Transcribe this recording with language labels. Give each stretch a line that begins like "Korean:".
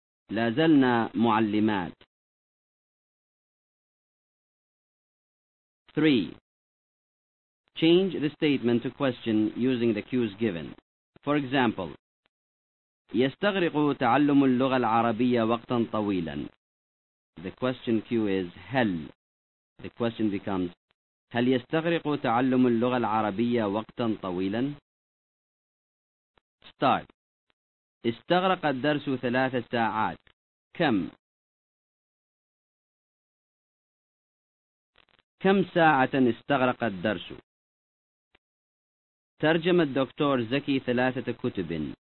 Arabic: لا زلنا معلمات.
English: 3. Change the statement to question using the cues given. For example,
Arabic: يستغرق تعلم اللغة العربية وقتا طويلا.
English: The question cue is هل. The question becomes
Arabic: هل يستغرق تعلم اللغة العربية وقتا طويلا؟ Start. استغرق الدرس 3 ساعات. كم؟ كم ساعة استغرق الدرس؟ ترجم الدكتور زكي 3 كتب.